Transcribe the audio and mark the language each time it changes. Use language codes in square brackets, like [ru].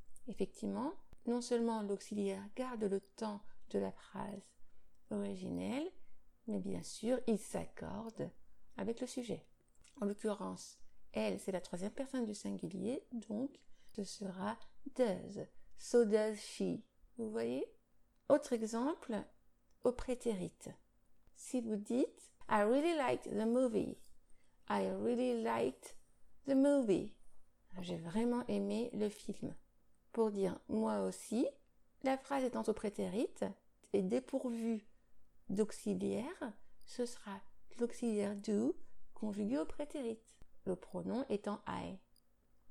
[fr] Effectivement, non seulement l'auxiliaire garde le temps de la phrase originelle, mais bien sûr, il s'accorde avec le sujet. En l'occurrence, elle, c'est la troisième personne du singulier, donc ce sera does, [en] so does she. [fr] Vous voyez? Autre exemple, au prétérit. Si vous dites, [en] I really liked the movie. I really liked the movie. [fr] J'ai vraiment aimé le film. Pour dire « moi aussi », la phrase étant au prétérit et dépourvue d'auxiliaire, ce sera l'auxiliaire « do » conjugué au prétérit, le pronom étant « I ».